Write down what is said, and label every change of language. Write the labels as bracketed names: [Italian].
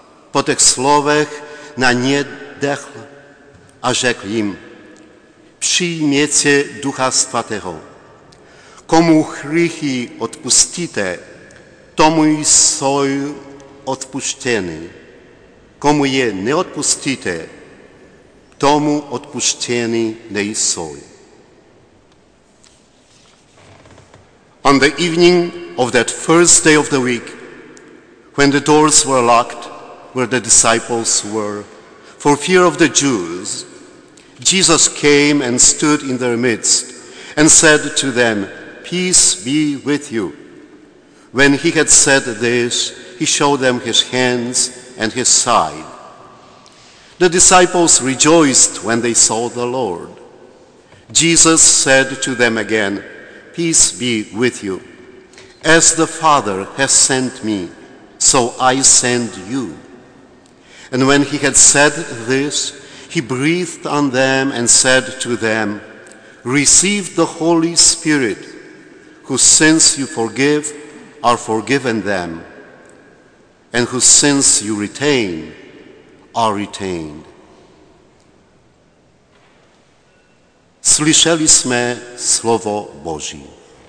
[Czech] Po těch slovech na ně dechl a řekl jim, přijměte Ducha Svatého. Komu hříchy odpustíte, tomu jsou odpuštěny. Komu je neodpustíte, tomu odpuštěny nejsou. [English] On the evening of that first day of the week, when the doors were locked where the disciples were, for fear of the Jews, Jesus came and stood in their midst and said to them, peace be with you. When he had said this, he showed them his hands and his side. The disciples rejoiced when they saw the Lord. Jesus said to them again, peace be with you. As the Father has sent me, so I send you. And when he had said this, he breathed on them and said to them, receive the Holy Spirit, whose sins you forgive are forgiven them, and whose sins you retain are retained. [Czech] Slyšeli jsme slovo Boží.